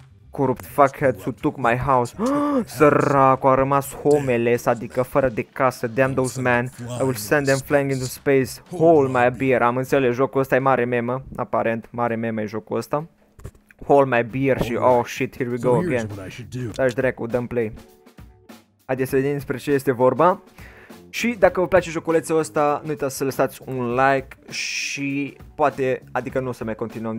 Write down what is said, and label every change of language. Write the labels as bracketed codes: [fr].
[en] Corrupt fuckheads who took my house. [ro] Săracu, a rămas homeless, adică fără de casă. [en] Damn those men, I will send them flying into space. Hold my beer. [ro] Am înțeles, jocul ăsta e mare memă. Aparent, mare memă e jocul ăsta. [en] Hold my beer [ro] și [en] oh shit, here we go again. [ro] Dă-și dracu, dăm play. Haideți să vedem despre ce este vorba. Și dacă vă place joculețul ăsta, nu uitați să lăsați un like și poate, adică nu o să mai continuăm.